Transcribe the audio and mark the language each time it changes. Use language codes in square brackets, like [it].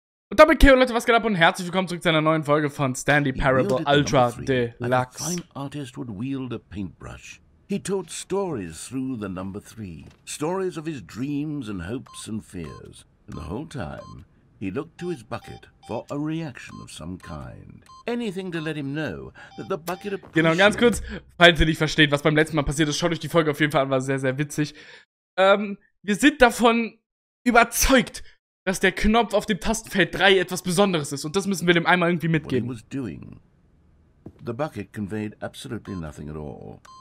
[de] Und damit, okay, Leute, was geht ab und herzlich willkommen zurück zu einer neuen Folge von Stanley Parable Ultra Deluxe. [en] Like a fine artist would wield a paintbrush. He told stories through the number 3. Stories of his dreams and hopes and fears. And the whole time, he looked to his bucket for a reaction of some kind. Anything to let him know that the bucket of... [de] Genau, ganz kurz, falls ihr nicht versteht, was beim letzten Mal passiert ist, schaut euch die Folge auf jeden Fall an, war sehr, sehr witzig. Wir sind davon überzeugt, dass der Knopf auf dem Tastenfeld 3 etwas Besonderes ist. Und das müssen wir dem einmal irgendwie mitgeben. [en] What he was doing. The bucket conveyed absolutely nothing at all.